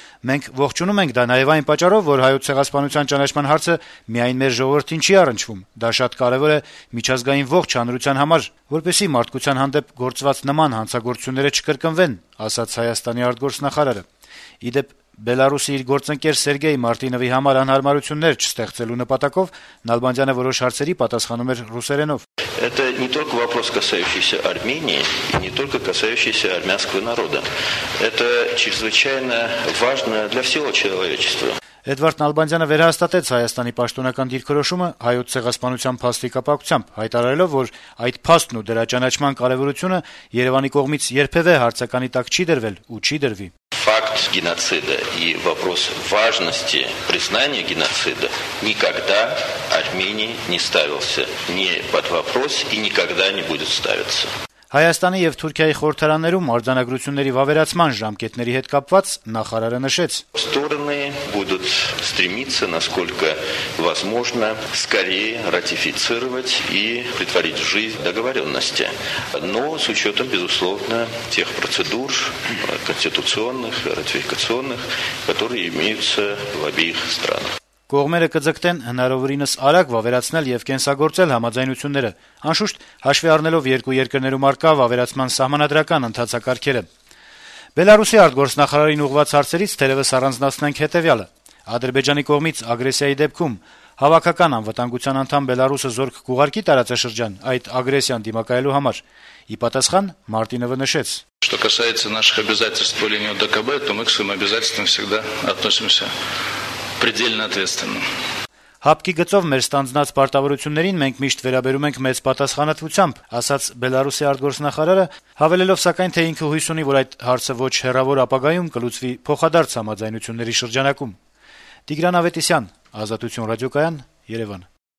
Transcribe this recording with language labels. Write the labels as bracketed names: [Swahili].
[Armenian] Մենք ողջունում ենք դա նաև այն պատճառով, որ հայոց ցեղասպանության ճանաչման հարցը միայն մեր ժողովրդին չի առնչվում, դա շատ կարևոր է միջազգային ողջ հանրության համար, որպեսզի մարդկության հանդեպ գործված նման հանցագործությունները չկրկնվեն, ասաց Հայաստանի արտգործնախարարը։ Ի դեպ, Բելարուսի իր գործընկեր Սերգեյ Մարտինովի համար անհարմարություններ չստեղծելու նպատակով Նալբանդյանը որոշ հարցերի պատասխանում էր ռուսերենով։ [Russian] Это не только вопрос, касающийся Армении, и не только касающийся армянского народа. Это чрезвычайно важно для всего человечества. [Armenian] Էդվարդ Նալբանդյանը վերահաստատեց Հայաստանի պաշտոնական դիրքորոշումը հայոց ցեղասպանության փաստի կապակցությամբ, հայտարարելով, որ այդ փաստն ու դրա ճանաչման կարևորությունը Երևանի կողմից երբևէ հարցականի տակ չի դրվել ու չի դրվի։ [Russian] Факт геноцида и вопрос важности признания геноцида никогда Армении не ставился ни под вопрос и никогда не будет ставиться. [Armenian] Հայաստանի և Թուրքիայի խորհրդարաններում արձանագրությունների վավերացման ժամկետների հետ կապված նախարարը նշեց. [Russian] Стороны будут стремиться, насколько возможно, скорее ратифицировать и притворить в жизнь договоренности. Но с учетом, безусловно, тех процедур конституционных, ратификационных, которые имеются в обеих странах. [Armenian] Կողմերը կձգտեն հնարավորինս արագ վավերացնել և կենսագործել համաձայնությունները, անշուշտ հաշվի առնելով երկու երկրներում առկա վավերացման սահմանադրական ընթացակարգերը։ Բելարուսի արտգործնախարարին ուղղված հարցերից թերևս առանձնացնենք հետևյալը. Ադրբեջանի կողմից ագրեսիայի դեպքում հավաքական անվտանգության անդամ Բելարուսը զորք կուղարկի տարածաշրջան այդ ագրեսիան դիմակայելու համար։ Ի պատասխան Մարտինովը նշեց. [Russian] Что касается наших обязательств по линии ОДКБ, то мы к своим обязательствам всегда относимся предельно ответственно. [Armenian] Հապկի գծով մեր ստանձնած պարտավորություններին մենք միշտ վերաբերում ենք մեծ պատասխանատվությամբ, ասաց Բելարուսի արտգործնախարարը, հավելելով սակայն, թե ինքը հույս ունի, որ այդ հարցը ոչ հեռավոր ապագայում կլուծվի փոխադարձ համաձայնությունների շրջանակում։ Տիգրան Ավետիսյան, Ազատություն ռադիոկայան, Երևան։